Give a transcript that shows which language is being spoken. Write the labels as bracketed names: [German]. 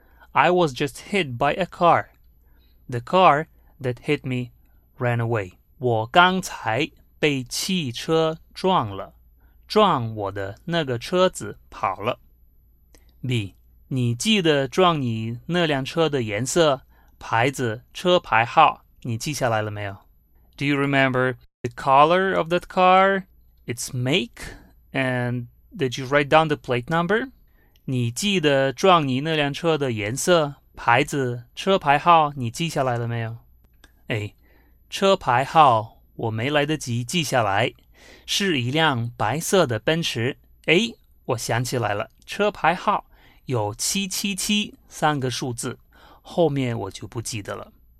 [English] I was just hit by a car. The car that hit me ran away. [Chinese] 我刚才被汽车撞了，撞我的那个车子跑了。 B. 你记得撞你那辆车的颜色、牌子、车牌号，你记下来了没有？ [English] Do you remember the color of that car, its make, and did you write down the plate number? [Chinese] 你记得撞你那辆车的颜色、牌子、车牌号，你记下来了没有？哎，车牌号我没来得及记下来，是一辆白色的奔驰。哎，我想起来了，车牌号有777三个数字，后面我就不记得了。